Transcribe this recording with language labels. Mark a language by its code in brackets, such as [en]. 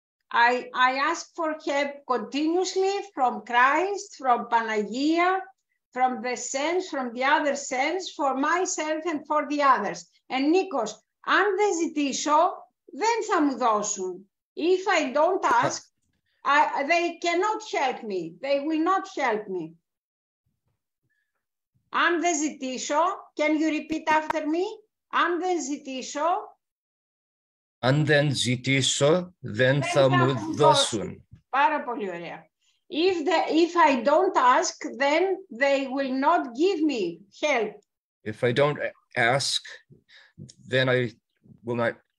[en] I ask for help continuously from Christ, from Panagia, from the cells, from the other cells, for myself and for the others. [el] And Nikos, αν δεν ζητήσω, δεν θα μου δώσουν. [en] If I don't ask, they cannot help me. They will not help me. [el] Αν δεν ζητήσω, [en] can you repeat after me? [el] Αν δεν ζητήσω, αν δεν ζητήσω, δεν θα μου δώσουν. Πάρα πολύ ωραία. [en] If I don't ask, then they will not give me help. If I don't ask, then I will not.